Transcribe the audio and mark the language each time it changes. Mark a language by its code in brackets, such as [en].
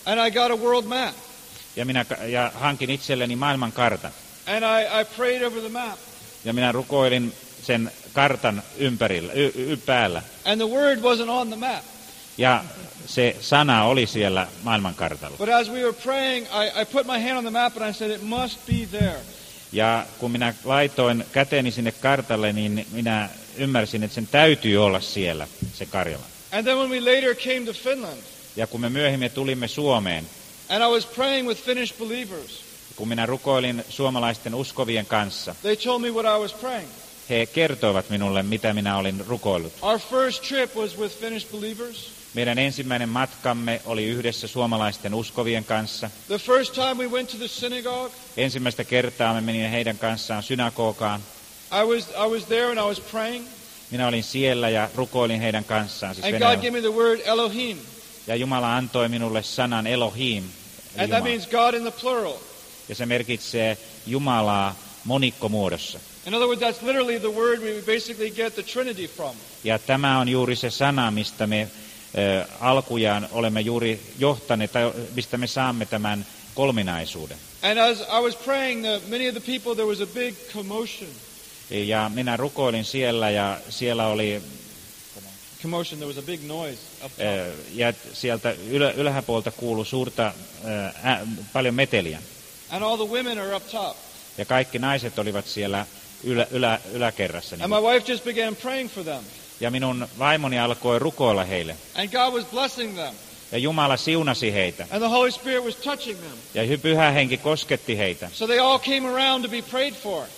[en] And I got a world map. [fi] Ja hankin itselleni maailman kartan. [en] And I prayed over the map. [fi] Ja minä rukoilin sen kartan ympärillä, päällä. [en] And the word wasn't on the map. [fi] Ja se sana oli siellä maailmankartalla. [en] But as we were praying, I put my hand on the map and I said it must be there. [fi] Ja kun minä laitoin käteni sinne kartalle, niin minä ymmärsin, että sen täytyy olla siellä, se Karjala. [en] And then when we later came to Finland. [fi] Ja kun me myöhemmin tulimme Suomeen. [en] And I was praying with Finnish believers. [fi] Kun minä rukoilin suomalaisten uskovien kanssa. [en] They told me what I was praying. [fi] He kertoivat minulle, mitä minä olin rukoillut. [en] Our first trip was with Finnish believers. [fi] Meidän ensimmäinen matkamme oli yhdessä suomalaisten uskovien kanssa. [en] The first time we went to the synagogue. [fi] Ensimmäistä kertaa me menin heidän kanssaan synagogaan. [en] I was there and I was praying. [fi] Minä olin siellä ja rukoilin heidän kanssaan. Siis [en] and God gave me the word Elohim. [fi] Ja Jumala antoi minulle sanan Elohim. [en] And that means God in the plural. [fi] Ja se merkitsee Jumalaa monikkomuodossa. [en] In other words, that's literally the word we basically get the Trinity from. [fi] Ja tämä on juuri se sana, mistä me alkujaan olemme juuri johtaneet, tai mistä me saamme tämän kolminaisuuden. [en] And as I was praying, many of the people, there was a big commotion. [fi] Ja minä rukoilin siellä, ja siellä oli [en] commotion, there was a big noise up top. [fi] Ja sieltä ylhäpuolelta kuului suurta paljon meteliä. [en] And all the women are up top. [fi] Ja kaikki naiset olivat siellä yläkerrassa. [en] And my wife just began praying for them. [fi] Ja minun vaimoni alkoi rukoilla heille. [en] And God was blessing them. [fi] Ja Jumala siunasi heitä. [en] And the Holy Spirit was touching them. [fi] Ja Pyhä Henki kosketti heitä. [en] So they all came around to be prayed for.